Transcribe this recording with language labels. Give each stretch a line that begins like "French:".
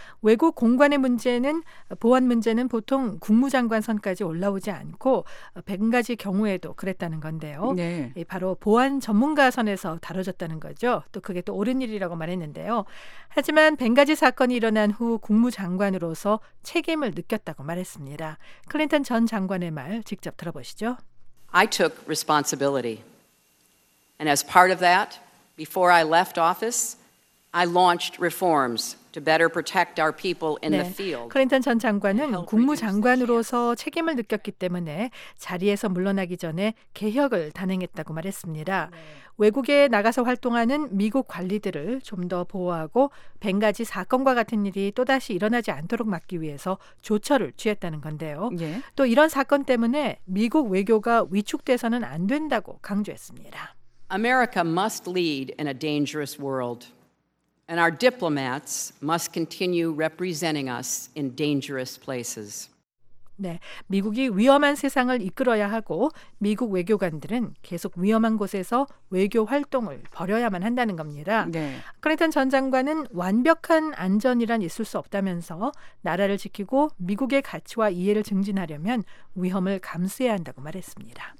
Korean: 외국 공관의 문제는, 보안 문제는 보통 국무장관 선까지 올라오지 않고 벵가지 경우에도 그랬다는 건데요. 네. 바로 보안 전문가 선에서 다뤄졌다는 거죠. 또 그게 또 옳은 일이라고 말했는데요. 하지만 벵가지 사건이 일어난 후 국무장관으로서 책임을 느꼈다고 말했습니다. 클린턴 전 장관의 말 직접 들어보시죠.
English: I took responsibility. And as part of that, before I left office, I launched reforms to better protect our people in the field.
Korean: 클린턴 전 장관은 국무장관으로서 책임을 느꼈기 때문에 자리에서 물러나기 전에 개혁을 단행했다고 말했습니다. 외국에 나가서 활동하는 미국 관리들을 좀 더 보호하고 벵가지 사건과 같은 일이 또다시 일어나지 않도록 막기 위해서 조처를 취했다는 건데요. 예. 또 이런 사건 때문에 미국 외교가 위축돼서는 안 된다고 강조했습니다.
English: America must lead in a dangerous world. And our diplomats must continue representing us in dangerous places.
Korean: 네, 미국이 위험한 세상을 이끌어야 하고 미국 외교관들은 계속 위험한 곳에서 외교 활동을 벌여야만 한다는 겁니다. 네. 클린턴 전 장관은 완벽한 안전이란 있을 수 없다면서 나라를 지키고 미국의 가치와 이해를 증진하려면 위험을 감수해야 한다고 말했습니다.